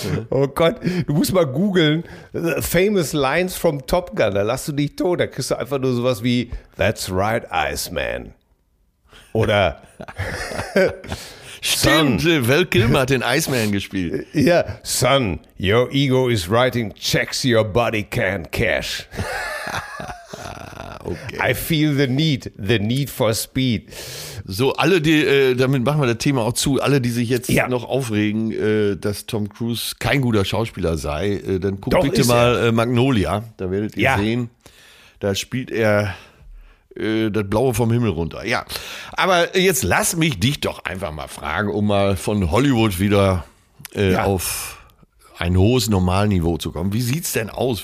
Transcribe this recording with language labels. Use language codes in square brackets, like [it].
[de] Oh Gott, du musst mal googeln, Famous Lines from Top Gun, da lass du dich tot, da kriegst du einfach nur sowas wie [en] That's right, Iceman. [de] Oder Stimmt, Son. Val Kilmer hat den Iceman gespielt. [en] Ja, Son, your ego is writing checks your body can't cash. Okay. I feel the need for speed. [de] So, alle, die, damit machen wir das Thema auch zu, alle, die sich jetzt noch aufregen, dass Tom Cruise kein guter Schauspieler sei, dann guckt bitte mal Magnolia, da werdet ihr sehen, da spielt er das Blaue vom Himmel runter. Ja, aber jetzt lass mich dich doch einfach mal fragen, um mal von Hollywood wieder auf ein hohes Normalniveau zu kommen. Wie sieht's denn aus?